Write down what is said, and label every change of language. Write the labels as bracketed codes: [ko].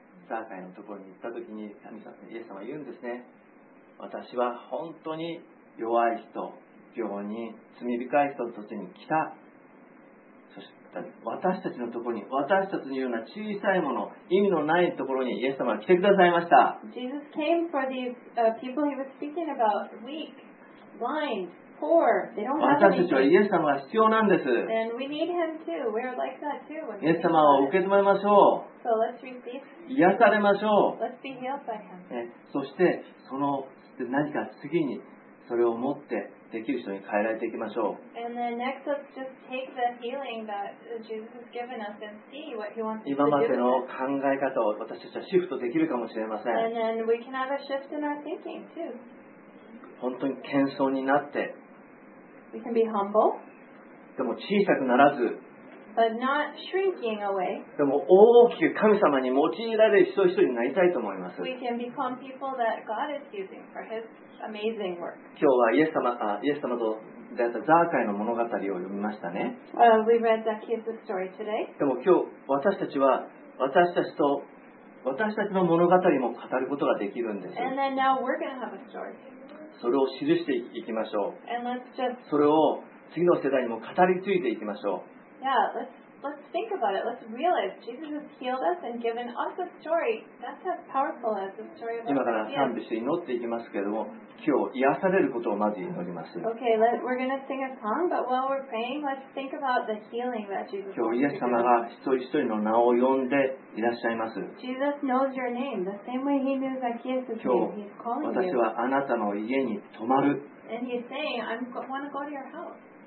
[ja] ザーカイのところに行ったときに神様イエス様は言うんですね。私は本当に弱い人、病人、罪深い人たちに来た。そして私たちのところに、私たちのような小さいもの、意味のないところにイエス様は来てくださいました。 [en] Jesus came for these people he was speaking about, weak, blind, poor. They don't have anything. [ja] 私たちはイエス様が必要なんです。 [en] And we need him too. We're like that too. [ja] イエス様を受け止めましょう。 [en] So let's receive. [ja] 癒されましょう。 [en] Let's be healed by him. [ja] そしてその何か次にそれを持ってできる人に変えられていきましょう。今までの考え方を私たちはシフトできるかもしれません。 [en] And then we can have a shift in our thinking too. [ja] 本当に謙遜になって。 [en] We can be humble. [ja] でも小さくならず。 [en] But not shrinking away. [ja] でも大きく神様に用いられる人一人になりたいと思います。 [en] We can become people that God is using for His amazing work. [ja] 今日はイエス様と出会ったザーカイの物語を読みましたね。 [en] We read Zacchaeus' story today. [ja] でも今日私たちの物語も語ることができるんです。 [en] And then now we're going to have a story. [ja] それを記していきましょう。 [en] And let's just [ja] それを次の世代にも語り継いでいきましょう。 [en] Yeah, let's think about it. Let's realize Jesus has healed us and given us a story that's as powerful as the story of Jesus. [ja] 今から賛美して祈っていきますけれども、今日癒されることをまず祈ります。 [en] Okay, we're gonna sing a song, but while we're praying, let's think about the healing that Jesus. [ja] 今日イエス様が一人一人の名を呼んでいらっしゃいます。 [en] Jesus knows your name the same way he knew Zacchaeus' name. [ja] 今日私はあなたの家に泊まる。 [en] And he's saying, I want to go to your house.